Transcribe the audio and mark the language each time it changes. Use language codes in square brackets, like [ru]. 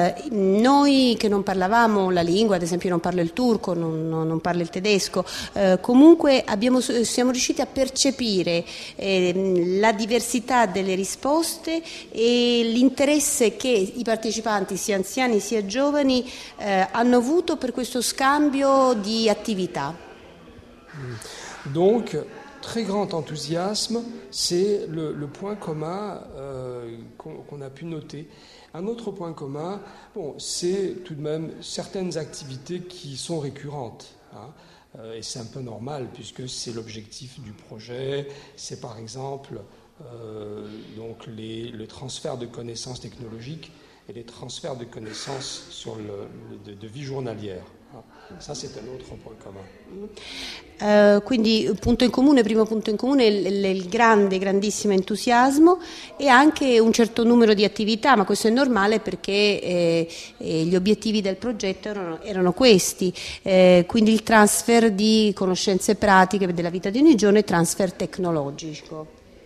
[it] Noi che non parlavamo la lingua, ad esempio non parlo il turco, non parlo il tedesco, comunque siamo riusciti a percepire la diversità delle risposte e l'interesse che i partecipanti, sia anziani sia giovani, hanno avuto per questo scambio di attività. [fr] Donc, très grand enthousiasme, c'est le point commun qu'on a pu noter. Un autre point commun, bon, c'est tout de même certaines activités qui sont récurrentes. Hein. Et c'est un peu normal, puisque c'est l'objectif du projet. C'est par exemple donc le transfert de connaissances technologiques et les transferts de connaissances sur de vie journalière. Ça, c'est un autre point commun. [it] Quindi, punto in comune, primo punto in comune, il grande, grandissimo entusiasmo e anche un certo numero di attività, ma questo è normale perché gli obiettivi del progetto erano questi. Quindi il transfer di conoscenze pratiche della vita di ogni giorno e transfer tecnologico.